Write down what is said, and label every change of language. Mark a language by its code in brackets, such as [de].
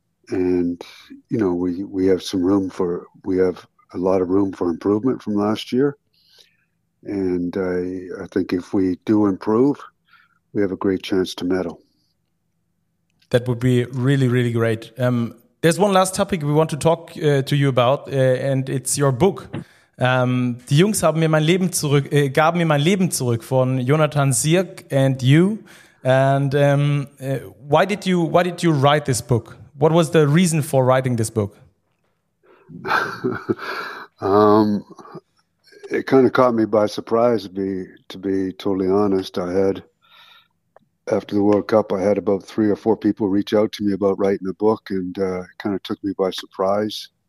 [en] And, we have some room for, we have a lot of room for improvement from last year. And I think if we do improve, we have a great chance to medal. That would be really, really great. There's one last topic we want to talk to you about, and it's your book. [de] Die Jungs haben mir mein Leben zurück, gaben mir mein Leben zurück von Jonathan Sirk and you. [en] And why did you write this book? What was the reason for writing this book? It kind of caught me by surprise, to be totally honest. I had, after the World Cup, I had about three or four people reach out to me about writing a book, and it kind of took me by surprise.